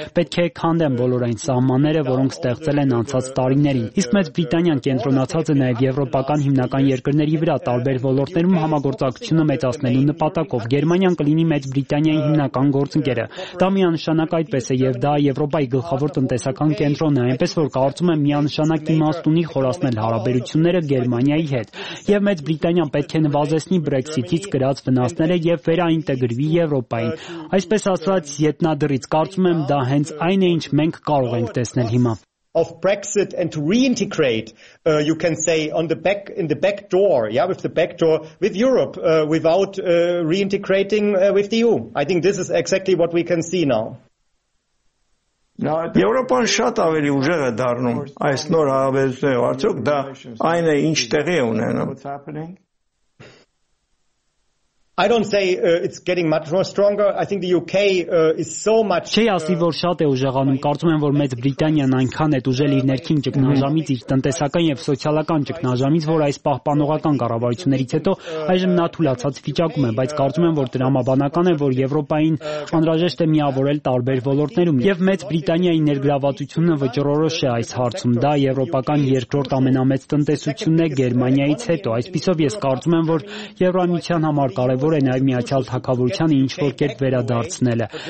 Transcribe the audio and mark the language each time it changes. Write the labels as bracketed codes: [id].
[hy] պետք է քանդեն բոլոր այն սահմանները, որոնք ստեղծել են անցած տարիներին։ Իսկ Մեծ Բրիտանիան կենտրոնացած է նաեւ Եվրոպական հիմնական երկրների վրա տարբեր ոլորտներում համագործակցությունը մեծացնելու նպատակով։ Գերմանիան կլինի Մեծ Բրիտանիայի հիմնական գործընկերը։ Դա միանշանակ այդպես է, եւ դա Եվրոպայի գլխավոր տնտեսական կենտրոնն է, այնպես որ կարծում եմ միանշանակ իմաստ ունի խորացնել հարաբերությունները Գերմանիայի հետ։ Եվ Մեծ Բրիտանիան պետք է նվազեցնի Brexit-ից կրած վնասները եւ վերաինտեգրվի Եվրոպային։ Այսպես ասած, ետնադրից կարծում եմ, դա հենց այն է, ինչ մենք կարող ենք տեսնել հիմա։ [en] Of Brexit and to reintegrate, you can say on the back in the back door, yeah, with the back door with Europe, without reintegrating with the EU. I think this is exactly what we can see now. [hy] Եվրոպան շատ ավելի ուժեղ է դառնում այս նոր հարաբերությունները, արդյոք դա այն է, ինչ տեղի է ունենում։ [en] I don't say it's getting much more stronger. I think the UK is so much [hy] Չի ասի, որ շատ է ուժեղանում։ Կարծում եմ, որ Մեծ Բրիտանիան այնքան է ուժեղ իր ներքին ճգնաժամից, իր տնտեսական եւ սոցիալական ճգնաժամից, որ այս պահպանողական կառավարություններից հետո այժմ նա թույլատված վիճակում է, բայց կարծում եմ, որ դրամաբանական է, որ Եվրոպային անհրաժեշտ է միավորել տարբեր ոլորտներում, եւ Մեծ Բրիտանիայի ներգրավվածությունը վճռորոշ է այս հարցում։ Դա եվրոպական երկրորդ ամենամեծ տնտեսությունն է Գերմանիայից հետո։ Այսպիսով ես կարծում եմ, որ Եվրամիության համար որը նաև միացյալ թակավորության ինչ որ կերպ վերադարձնելը